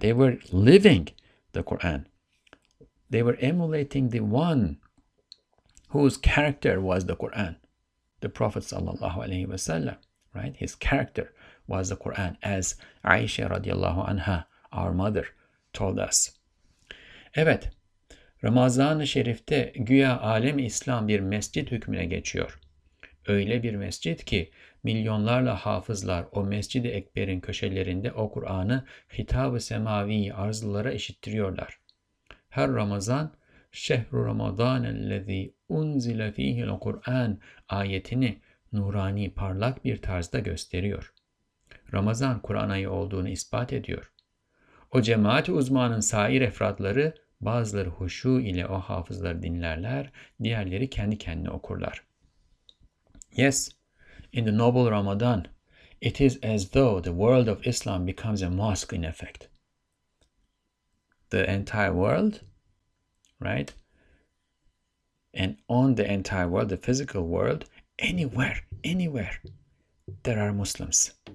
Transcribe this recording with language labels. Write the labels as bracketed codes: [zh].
[en] They were living the Quran. They were emulating the one whose character was the Quran, the Prophet sallallahu alaihi wasallam, right? His character was the Quran, as Aisha radiallahu anha, our mother, told us. [tr] Evet, Ramazan-ı Şerif'te güya alem-i İslam bir mescid hükmüne geçiyor. Öyle bir mescid ki milyonlarla hafızlar o mescid-i ekberin köşelerinde o Kur'an'ı hitab-ı semavi arzulara işittiriyorlar. Her Ramazan, [ar] Şehr-ü Ramazan-ı'l-lezî unzile fîhil-Kur'an [tr] ayetini nurani parlak bir tarzda gösteriyor. Ramazan, Kur'an ayı olduğunu ispat ediyor. O cemaat-i uzmanın sair efradları Bazıları huşu ile o hafızları dinlerler, diğerleri kendi kendine okurlar. [en] Yes, in the noble Ramadan, it is as though the world of Islam becomes a mosque in effect. The entire world, right? And on the entire world, the physical world, anywhere, there are Muslims.